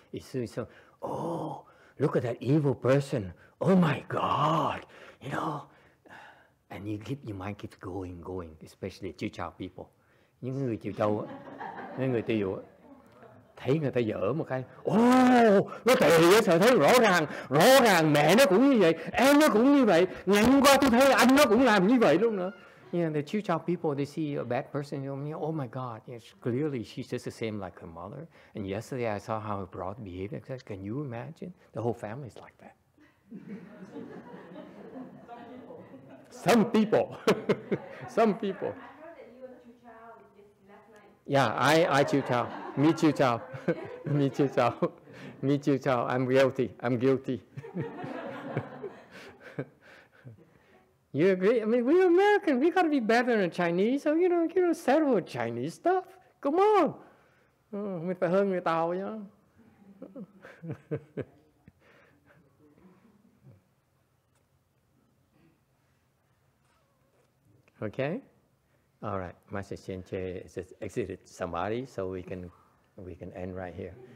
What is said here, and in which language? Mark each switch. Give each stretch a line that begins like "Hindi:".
English: It's so, oh, look at that evil person. Oh my God. You know. And you keep your mind keeps going, especially chiêu chào people.
Vietnamese: Những người chiêu chào, những người tiêu dụng, thấy người ta dở một cái, nó tệ thì sợ thấy rõ ràng mẹ nó cũng như vậy, em nó cũng như vậy, ngày hôm qua tôi thấy anh nó cũng làm như vậy luôn nữa.
English: Yeah, the chiêu chào people, they see a bad person, oh my God, yes, clearly she's just the same like her mother. And yesterday I saw how her brother behaved, can you imagine? The whole family is like that. Some people. I heard that you were chiu chow last night. Yeah, I chiu chow. Me chiu chow. Me chiu chow. Me chiu chow. I'm guilty. You agree? I mean, we're American. We got to be better than Chinese. So, you know, settle with Chinese stuff. Come on.
Vietnamese: Mình phải hơn người Tàu nhá.
English: Okay, all right. Master Chenche just exited somebody, so we can end right here.